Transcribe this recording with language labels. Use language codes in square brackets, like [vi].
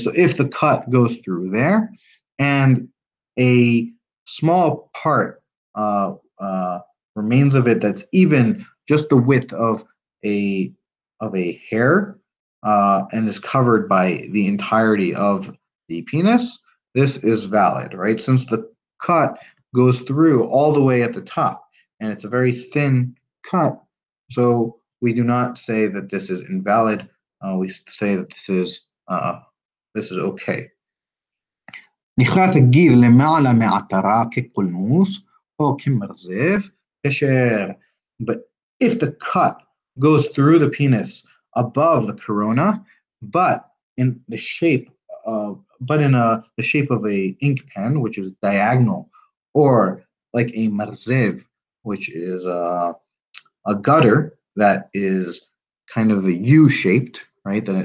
[en] So if the cut goes through there, and a small part remains of it that's even just the width of a hair, and is covered by the entirety of the penis, this is valid, right? Since the cut goes through all the way at the top, and it's a very thin cut, so we do not say that this is invalid. We say that this is okay. [he] נכרת הגיל למעלה מעטרה כקולמוס או כמרזב, כאשר. [en] But if the cut goes through the penis above the corona, but in the shape of a ink pen, which is diagonal, or like a marzev, which is a gutter that is kind of a U-shaped, right?